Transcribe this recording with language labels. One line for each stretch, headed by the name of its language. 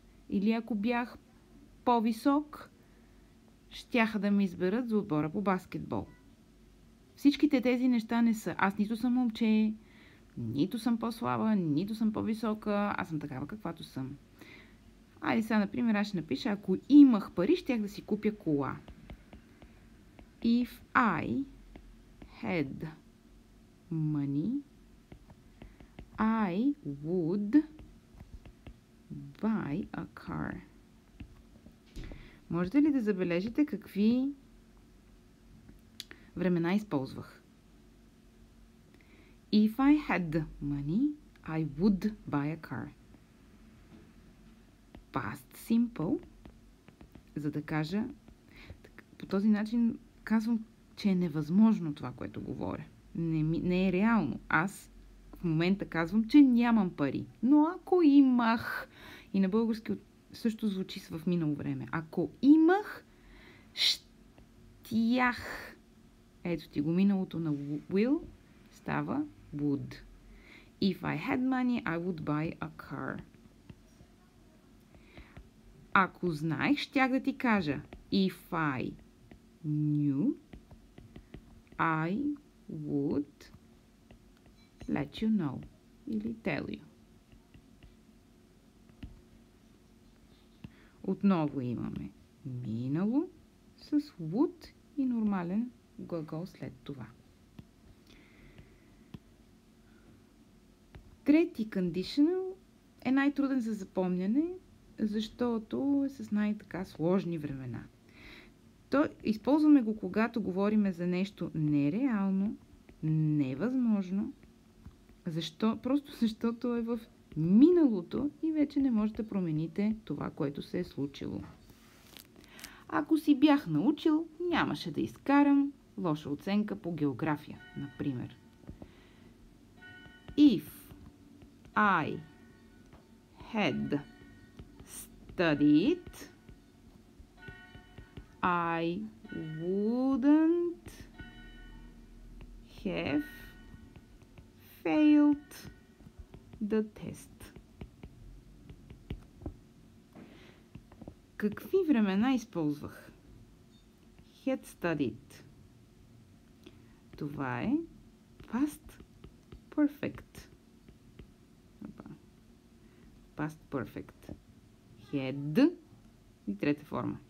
Bulgarian: Или ако бях по-висок, щяха да ме изберат за отбора по баскетбол. Всичките тези неща не са. Аз нито съм момче, нито съм по-слаба, нито съм по-висока, аз съм такава каквато съм. Айде сега, например, аз ще напиша, ако имах пари, щях да си купя кола.
English: If I had money, I would buy a car.
Bulgarian: Можете ли да забележите какви времена използвах?
English: If I had money, I would buy a car.
Bulgarian: Past simple, за да кажа, по този начин казвам, че е невъзможно това, което говоря. Не е реално. Аз в момента казвам, че нямам пари. Но ако имах, и на български също звучи в минало време, ако имах, щях. Ето ти го, миналото на will става would.
English: If I had money, I would buy a car.
Bulgarian: Ако знаех, щях да ти кажа.
English: If I knew, I would let you know. Или tell you.
Bulgarian: Отново имаме минало с would и нормален глагол след това. Трети conditional е най-труден за запомняне, защото е с най-така сложни времена. То използваме го, когато говорим за нещо нереално, невъзможно, просто защото е в миналото и вече не можете да промените това, което се е случило. Ако си бях научил, нямаше да изкарам лоша оценка по география, например.
English: If I had studied, I wouldn't have failed the test.
Bulgarian: Какви времена използвах?
English: Had studied.
Bulgarian: Това е
English: past perfect.
Bulgarian: Past perfect. Had и трета форма.